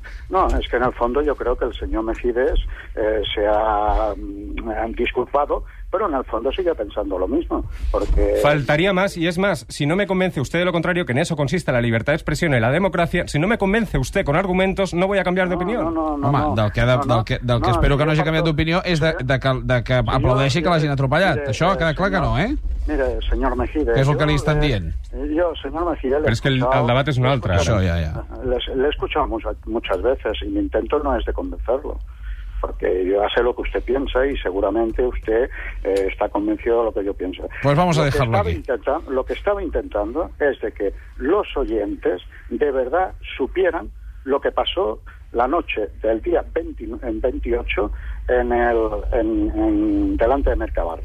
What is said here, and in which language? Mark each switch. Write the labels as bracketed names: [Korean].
[Spanish] No, es que en el fondo yo creo que el señor Mejides se ha disculpado, pero en el fondo sigue pensando lo mismo, porque... Faltaría más, y es más, si no me convence usted de lo contrario, que en eso consiste la libertad de expresión y la democracia, si no me convence usted con argumentos, no voy a cambiar de opinión. [Catalan] Del que espero que no hagi canviat d'opinió és de que aplaudeixi que l'hagin atropellat. Mire, això ha quedat clar que no, eh? [Spanish] Mire, señor Mejides... [Catalan] Què és el que li estan dient? [Spanish] Yo, señor Mejides... [Catalan] Però és que el debat és un altre, això, ja. [Spanish] L'he escuchado muchas veces y mi intento no es de convencerlo. Porque yo ya sé lo que usted piensa y seguramente usted está convencido de lo que yo pienso. Pues vamos a dejarlo aquí. Lo que estaba intentando es de que los oyentes de verdad supieran lo que pasó la noche del día 28 en delante de Mercabarna.